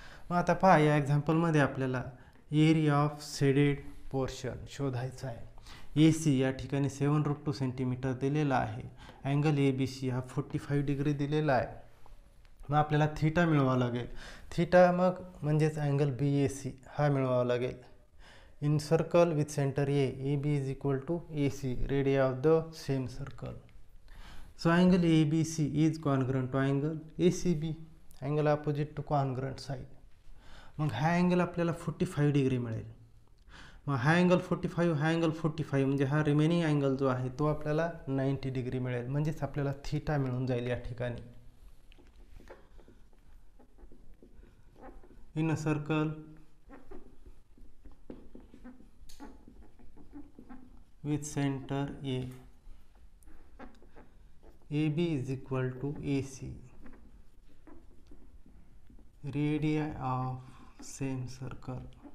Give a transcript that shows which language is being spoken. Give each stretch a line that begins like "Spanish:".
Marathi: मग आता पहा या एक्झाम्पलमध्ये आपल्याला
English: area of shaded portion
Marathi: शोधायचा आहे. ए सी या ठिकाणी 7√2 सेंटीमीटर दिलेला आहे, अँगल ए बी सी हा 45 डिग्री दिलेला आहे. मग आपल्याला थीटा मिळवावं लागेल, थीटा मग म्हणजेच अँगल बी ए सी हा मिळवावा लागेल.
English: In circle with centre A, A B is equal to A C radius of the same circle. So angle A B C is congruent to angle A C B, angle opposite to congruent side.
Marathi: मग हा angle आपल्याला 45 degree मिळेल. मग हा angle 45, हा angle 45 म्हणजे हा
English: remaining angle
Marathi: जो आहे तो आपल्याला 90 डिग्री मिळेल, म्हणजेच आपल्याला थीटा मिळून जाईल या ठिकाणी.
English: In a circle with centre A, A B is equal to A C radius of same circle.